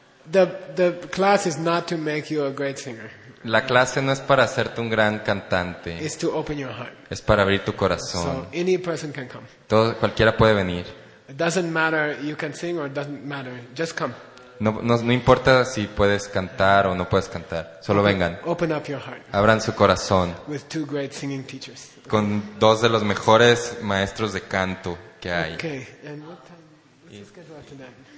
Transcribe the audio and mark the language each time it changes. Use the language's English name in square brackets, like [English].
[English] The class is not to make you a great singer. [Spanish] La clase no es para hacerte un gran cantante. [English] It's to open your heart. [Spanish] Es para abrir tu corazón. [English] So any person can come. [Spanish] Todo, cualquiera puede venir. [English] It doesn't matter you can sing or doesn't matter. Just come. [Spanish] No importa si puedes cantar o no puedes cantar. Solo vengan. [English] Open up your heart. [Spanish] Abran su corazón. [English] With two great singing teachers. [Spanish] Con dos de los mejores maestros de canto que hay. [English] Okay. And what time? What's the schedule after that?